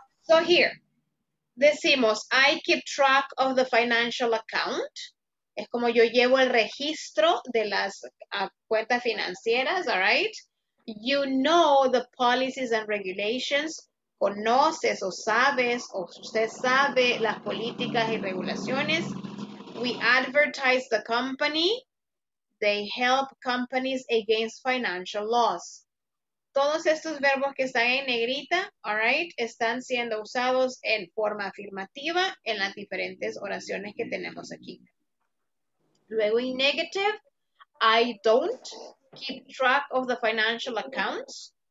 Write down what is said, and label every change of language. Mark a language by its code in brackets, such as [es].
[en] So here, [es] decimos, [en] I keep track of the financial account. [es] Es como yo llevo el registro de las cuentas financieras, all right? [en] You know the policies and regulations. [es] Conoces o sabes o usted sabe las políticas y regulaciones. [en] We advertise the company. They help companies against financial laws. [es] Todos estos verbos que están en negrita, all right, están siendo usados en forma afirmativa en las diferentes oraciones que tenemos aquí. Luego en [en] negative, I don't keep track of the financial accounts.